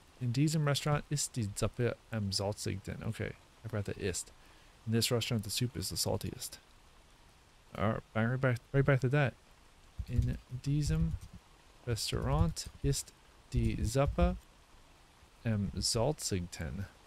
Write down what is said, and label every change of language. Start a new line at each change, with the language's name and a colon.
German: In diesem Restaurant ist die Suppe am salzig?
English: Okay, I forgot the ist. In this restaurant, the soup is the saltiest. Alright, right back to that.
German: In diesem Restaurant ist die Suppe am salzigten.